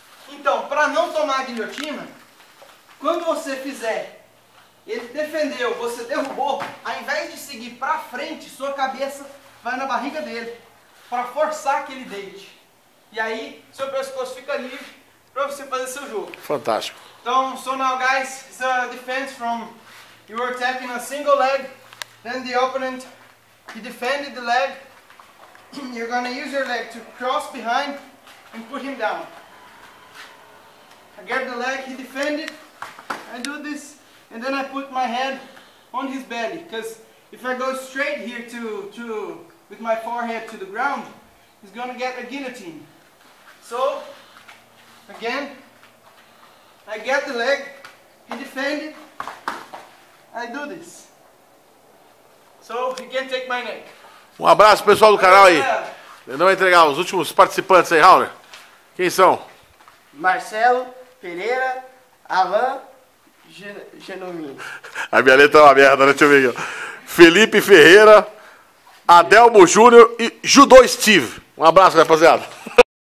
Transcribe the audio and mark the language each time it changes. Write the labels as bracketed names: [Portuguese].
[Portuguese] Então, para não tomar a guilhotina, quando você fizer, ele defendeu, você derrubou, ao invés de seguir para frente, sua cabeça vai na barriga dele para forçar aquele dente. E aí, seu pescoço fica livre para você fazer seu jogo. Fantástico. [English] Então, so now guys, it's a defense from... You were attacking a single leg, then the opponent, he defended the leg. You're gonna use your leg to cross behind and put him down. I get the leg, he defended. I do this, and then I put my head on his belly. Because if I go straight here with my forehead to the ground, he's gonna get a guillotine. So, again, I get the leg, he defended, I do this. So, he can take my neck. [Portuguese] Um abraço, pessoal do canal aí. Lendão vai entregar os últimos participantes aí, Raul. Quem são? Marcelo, Pereira, Alan, Genomino. A minha letra é uma merda, né? Deixa eu ver aqui. Felipe Ferreira, Adelmo Júnior e Judô Steve. Um abraço, rapaziada.